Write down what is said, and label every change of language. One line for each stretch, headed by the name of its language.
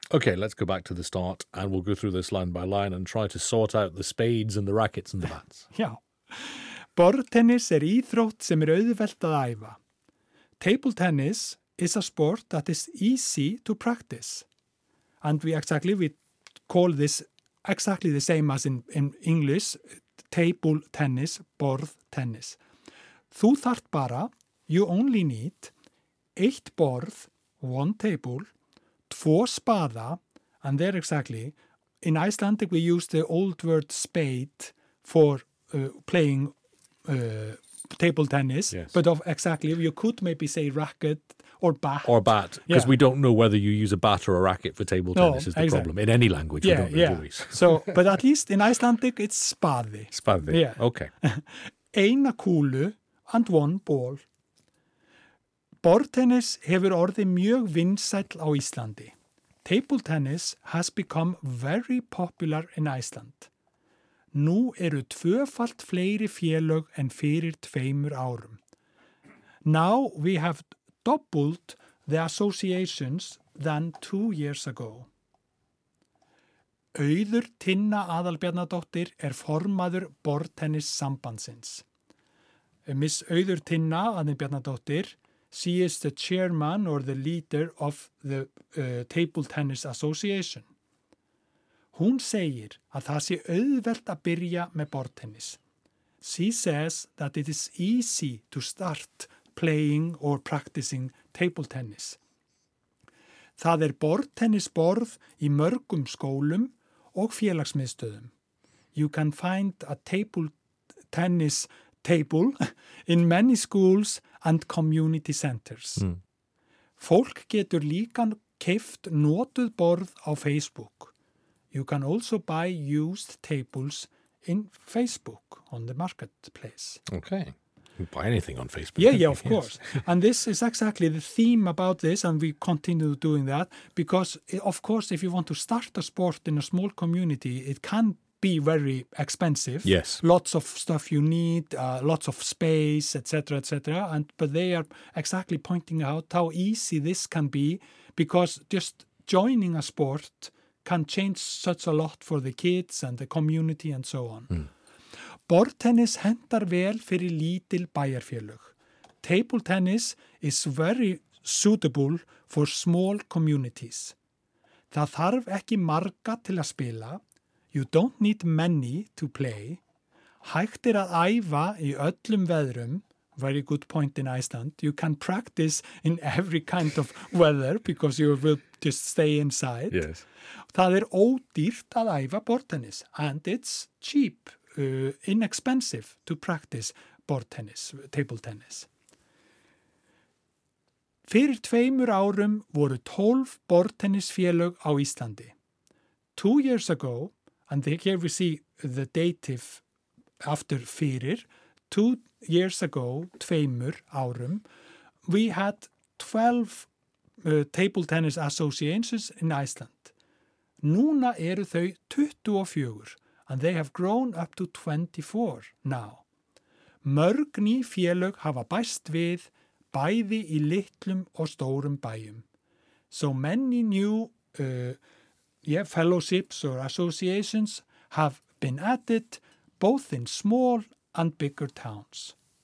English: Okay, let's go back to the start and we'll go through this line by line and try to sort out the spades and the rackets and the bats.
Icelandic: Já, borðtennis er íþrótt sem auðvelt að æfa.
English: Table tennis is a sport that is easy to practice. And we call this exactly the same as in English, table tennis, borð tennis.
Icelandic: Þú þarft bara,
English: you only need,
Icelandic: eitt borð,
English: one table,
Icelandic: tvo spaða,
English: and there exactly, in Icelandic we use the old word spade for playing table tennis, yes. But of exactly, you could maybe say racket, or bat. Or bat, because yeah. We don't know whether you use a bat or a racket for table tennis is the exactly. Problem. In any language, yeah, we don't know. Yeah. So, but at least in Icelandic, it's spadi. Spadi, yeah. Okay.
Icelandic: Eina kúlu
English: and one ball.
Icelandic: Borðtennis hefur orðið mjög vinsæll á Íslandi.
English: Table tennis has become very popular in Iceland.
Icelandic: Nú eru tvöfalt fleiri félög en fyrir tveimur árum.
English: Now we have doubled the associations than 2 years ago.
Icelandic: Auður Tinna Aðalbjarnardóttir er formaður borðtennis sambandsins.
English: Miss Auður Tinna Aðalbjarnardóttir, she is the chairman or the leader of the Table Tennis Association.
Icelandic: Hún segir að það sé auðvelt að byrja með borðtennis.
English: She says that it is easy to start playing or practicing table tennis.
Icelandic: Það borðtennisborð í mörgum skólum og félagsmiðstöðum.
English: You can find a table tennis table in many schools and community centers. Mm.
Icelandic: Fólk getur líka keypt notuð borð á Facebook.
English: You can also buy used tables in Facebook on the marketplace. Okay. Buy anything on Facebook. Yeah, yeah, of course. And this is exactly the theme about this, and we continue doing that, because, of course, if you want to start a sport in a small community, it can be very expensive. Yes. Lots of stuff you need, lots of space, etc., etc. And but they are exactly pointing out how easy this can be, because just joining a sport can change such a lot for the kids and the community and so on. Mm.
Icelandic: Board tennis hentar vel fyrir lítil bæjarfélög.
English: Table tennis is very suitable for small communities.
Icelandic: Það þarf ekki marga til að spila.
English: You don't need many to play.
Icelandic: Hægt að æfa í öllum veðrum.
English: Very good point in Iceland. You can practice in every kind of weather because you will just stay inside. Yes.
Icelandic: Það ódýrt að æfa board tennis.
English: And it's cheap, inexpensive to practice board tennis, table tennis. Fyrir tveimur árum voru 12 board tennis félög á Íslandi. 2 years ago, and here we see the dative after fyrir, 2 years ago,
Icelandic: tveimur árum,
English: we had 12 table tennis associations in Iceland.
Icelandic: Núna eru þau 24,
English: and they have grown up to 24 now.
Icelandic: Mörg ný félög hafa bæst við, bæði í litlum og stórum bæjum.
English: So many new fellowships or associations have been added, both in small and bigger towns.